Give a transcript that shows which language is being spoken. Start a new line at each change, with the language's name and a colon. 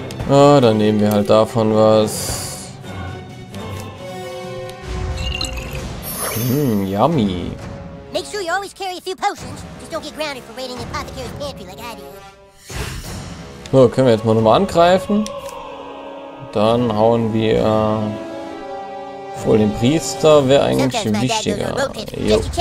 German: Ah, dann nehmen wir halt davon was.
English: Yummy. Make sure you always carry a few potions. Just don't get grounded for raiding the apothecary's pantry like I do.
German: So, können wir jetzt mal nochmal angreifen. Dann hauen wir wohl den Priester. Wäre eigentlich wichtiger. Jo.